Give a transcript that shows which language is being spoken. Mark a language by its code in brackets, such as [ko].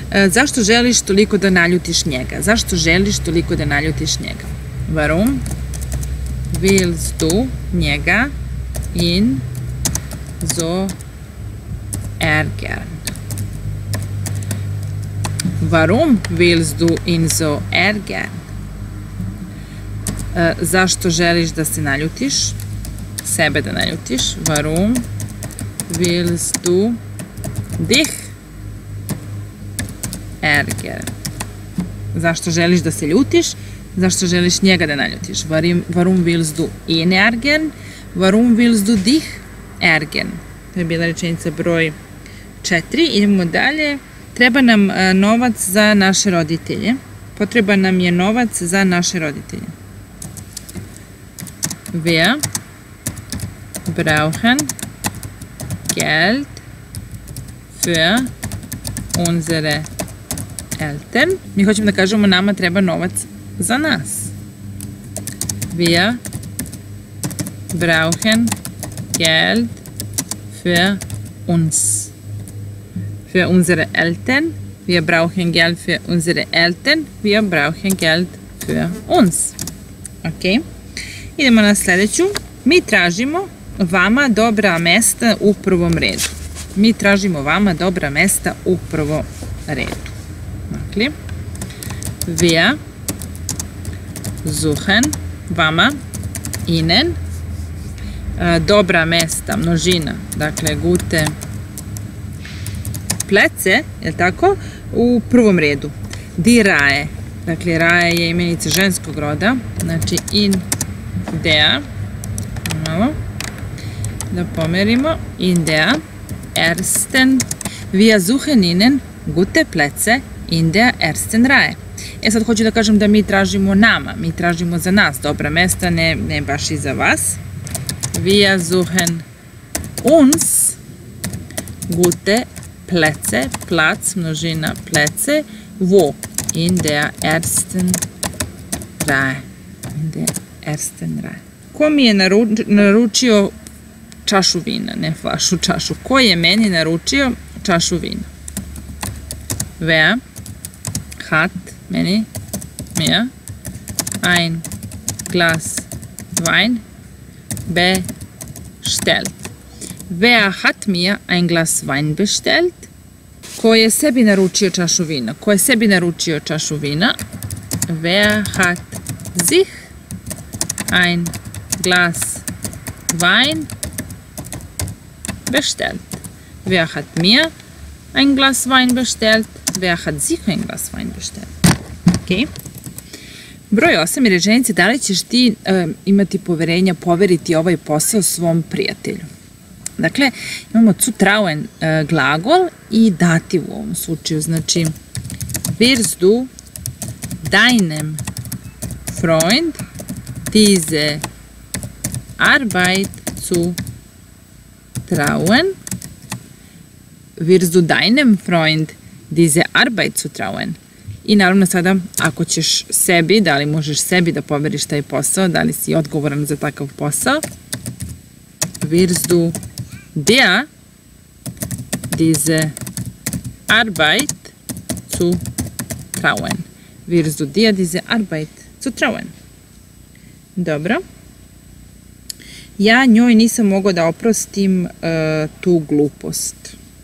[sr] Zašto želiš toliko da naljutiš njega? Zašto želiš toliko da naljutiš njega? [de] Warum willst du njega in so ärgern? Warum willst du in so ärgern? [sr] Zašto želiš da se naljutiš? Sebe da naljutiš. [de] Warum willst du dich ärgern? [sr] Zašto želiš da se ljutiš? Zašto želiš njega da naljutiš? [de] Warum willst du ihn ärgern? Warum willst du dich ärgern? [sr] To je bila rečenica broj 4. Idemo dalje. Treba nam novac za naše roditelje. Potreba nam je novac za naše roditelje. [de] Wir brauchen Geld für unsere Eltern. [sr] Mi hoćemo da kažemo, nama treba novac za nas. [de] Wir brauchen Geld für uns. Für unsere Eltern. Wir brauchen Geld für unsere Eltern. Wir brauchen Geld für uns. [sr] Okay. Idemo na sljedeću. Mi tražimo vama dobra mjesta u prvom redu. mi tražimo vama dobra mesta u prvo redu. Dakle, [de] wir suchen [sr] vama, Ihnen, dobra mesta, množina, dakle, [de] gute plätze, [sr] je li tako, u prvom redu. [de] Die Reihe, [sr] dakle, Reihe je imenica ženskog roda, znači [de] in der, [sr] malo, da pomerimo, [de] in der ersten, wir suchen Ihnen gute plätze in der ersten Reihe. [sr] E sad hoću da kažem da mi tražimo nama, mi tražimo za nas dobra mesta, ne baš i za vas. [de] Wir suchen uns gute plätze, [sr] plac, množina [de] plätze, wo? In der ersten Reihe. In der ersten Reihe. [sr] Ko mi je naručio čašu vina, ne flašu čašu? Ko je meni naručio čašu vina? [de] Wer hat meni, mir, ein Glas Wein bestellt. Wer hat mir ein Glas Wein bestellt? [sr] Ko je sebi naručio čašu vina? Ko je sebi naručio čašu vina? [de] Wer hat sich ein Glas Wein bestellt? Wer hat mir ein Glas Wein bestellt? Wer hat sich ein Glas Wein bestellt? [sr] Broj 8 je rečenica, da li ćeš ti imati poverenja, poveriti ovaj posao svom prijatelju? Dakle, imamo zu trauen glagol i dativ u ovom slučaju. [de] Znači, wirst du deinem Freund diese Arbeit zu trauen? Wirst du deinem Freund diese Arbeit zu trauen? [sr] I naravno sada, ako ćeš sebi, da li možeš sebi da poveriš taj posao, da li si odgovoran za takav posao? [de] Wirst du dir diese Arbeit zu trauen? Wirst du dir diese Arbeit zu trauen? Dobro. [sr] Ja njoj nisam mogao da oprostim tu glupost.